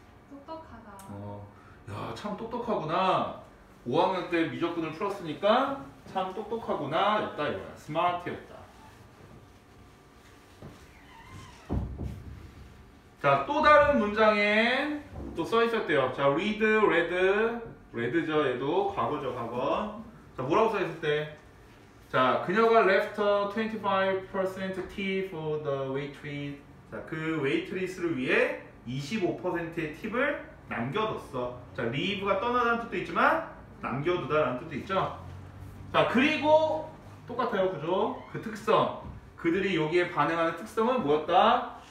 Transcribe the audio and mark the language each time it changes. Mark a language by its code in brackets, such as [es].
[ko] 똑똑하다. 야, 참 똑똑하구나. 5학년 때 미적분을 풀었으니까 참 똑똑하구나. 였다, 이거야. 스마트였다. 자, 또 다른 문장에 또 써있었대요. 자, read, read, read죠. 얘도 과거죠, 과거. 자, 뭐라고 써있을 때? 자, 그녀가 [en] left her 25% tip for the waitress. [ko] 자, 그 웨이트리스를 위해 25%의 팁을 남겨뒀어. 자, leave가 떠나다는 뜻도 있지만 남겨두다라는 뜻도 있죠. 자, 그리고 똑같아요, 그죠? 그 특성, 그들이 여기에 반응하는 특성은 뭐였다?